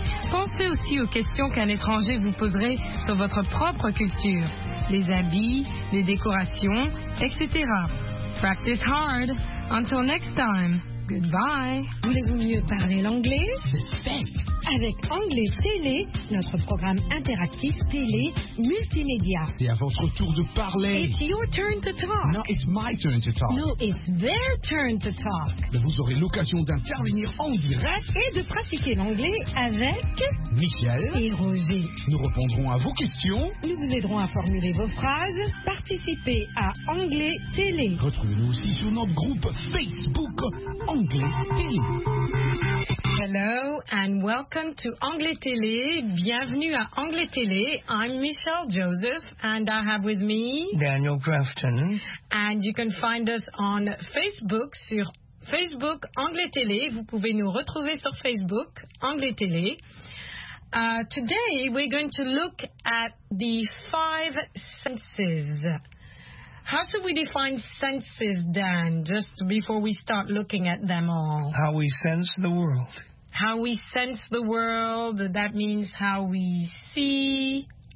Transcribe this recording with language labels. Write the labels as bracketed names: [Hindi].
[French] Pensez aussi aux questions qu'un étranger vous poserait sur votre propre culture, les habits, les décorations, etc. [English] Practice hard. Until next time. Goodbye. [French] Voulez-vous mieux parler l'anglais? Avec Anglais Télé, notre programme interactif télé multimédia. C'est à votre tour de parler. [English] It's your turn to talk. No, it's my turn to talk. No, it's their turn to talk. [French] Vous aurez l'occasion d'intervenir en direct et de pratiquer l'anglais avec Michel et Roger. Nous répondrons à vos questions. Nous vous aiderons à formuler vos phrases. Participez à Anglais Télé. Retrouvez-nous aussi sur notre groupe Facebook Anglais Télé. [English] Hello and welcome to Anglais Télé. [French] Bienvenue à Anglais Télé. [English] I'm Michelle Joseph and I have with me Daniel Grafton. And you can find us on Facebook, [French] sur Facebook Anglais Télé. Vous pouvez nous retrouver sur Facebook Anglais Télé. [English] Today we're going to look at the five senses. How should we define senses, Dan, just before we start looking at them all? How we sense the world. How we sense the world, that means how we see.